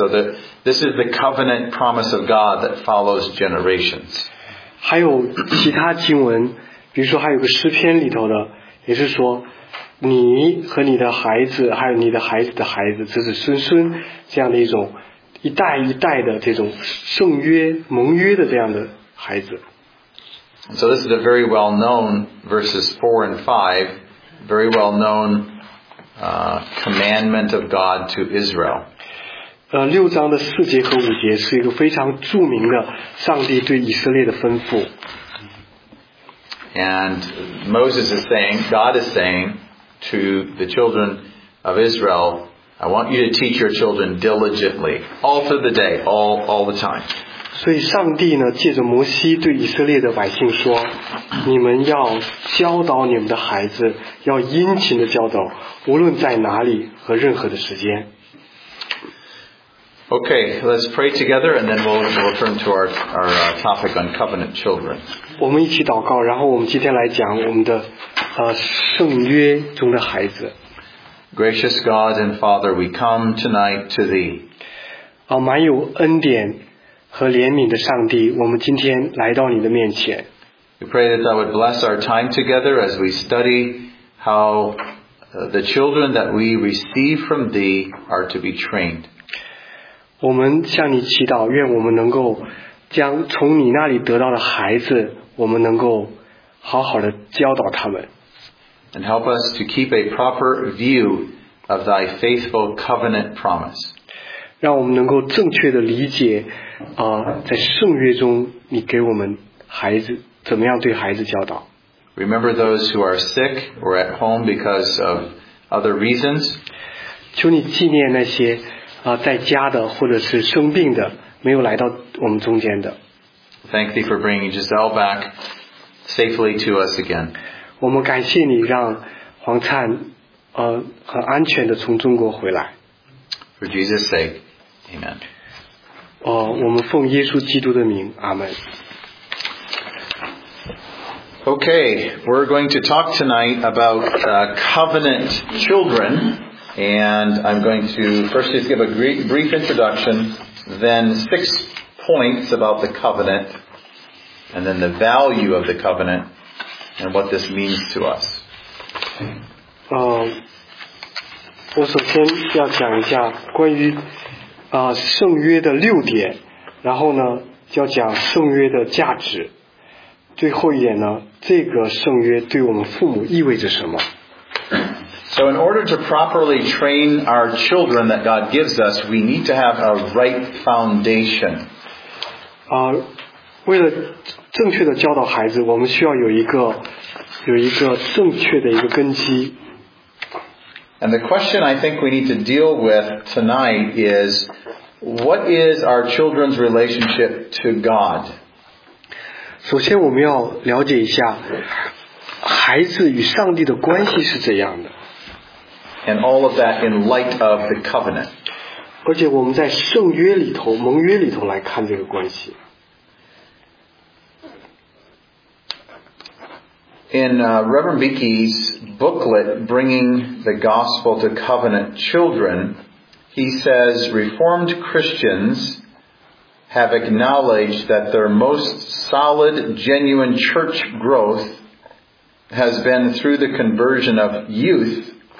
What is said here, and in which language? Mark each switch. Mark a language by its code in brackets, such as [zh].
[en] So that this is the covenant promise of God that follows generations. [zh] 还有其他经文。比如说还有个诗篇里头的也是说你和你的孩子还有你的孩子的孩子子子孙孙这样的一种一代一代的这种圣约盟约的这样的孩子。 [en] So this is a very well known verses 4 and 5, very well known commandment of God to Israel. [zh] 六章的四节和五节是一个非常著名的上帝对以色列的吩咐。 [en] And Moses is saying, God is saying to the children of Israel, I want you to teach your children diligently, all through the day, all the time. [zh] 所以上帝呢，借着摩西对以色列的百姓说，你们要教导你们的孩子，要殷勤的教导，无论在哪里和任何的时间。 [en] Okay, let's pray together and then we'll turn to our topic on covenant children. [zh] 我们一起祷告，然后我们今天来讲我们的圣约中的孩子。 [en] Gracious God and Father, we come tonight to thee. [zh] 满有恩典和怜悯的上帝，我们今天来到你的面前。 [en] We pray that thou would bless our time together as we study how the children that we receive from thee are to be trained. [zh] 我们向你祈祷，愿我们能够将从你那里得到的孩子，我们能够好好的教导他们。 [en] And help us to keep a proper view of thy faithful covenant promise. [zh] 让我们能够正确的理解，在圣约中你给我们孩子怎么样对孩子教导。 [en] Remember those who are sick or at home because of other reasons. [zh] 求你纪念那些在家的或者是生病的没有来到我们中间的。 [en] Thank thee for bringing Giselle back safely to us again. [zh] 我们感谢你让黄灿很安全的从中国回来。 [en] For Jesus' sake, Amen. [zh] 我们奉耶稣基督的名，阿门。 [en] Okay, we're going to talk tonight about covenant children. And I'm going to first just give a brief introduction, then 6 points about the covenant, and then the value of the covenant, and what this means to us. [zh] 我首先要讲一下关于圣约的六点，然后呢，就要讲圣约的价值。最后一点呢，这个圣约对我们父母意味着什么？ [en] So in order to properly train our children that God gives us, we need to have a right foundation. [zh] 为了正确的教导孩子，我们需要有一个正确的一个根基。 [en] And the question I think we need to deal with tonight is, what is our children's relationship to God? [zh] 首先我们要了解一下，孩子与上帝的关系是怎样的。 [en] And all of that in light of the covenant. [zh] 而且我们在圣约里头、盟约里头来看这个关系。 [en] In Reverend Beakey's booklet, Bringing the Gospel to Covenant Children, he says Reformed Christians have acknowledged that their most solid, genuine church growth has been through the conversion of youth.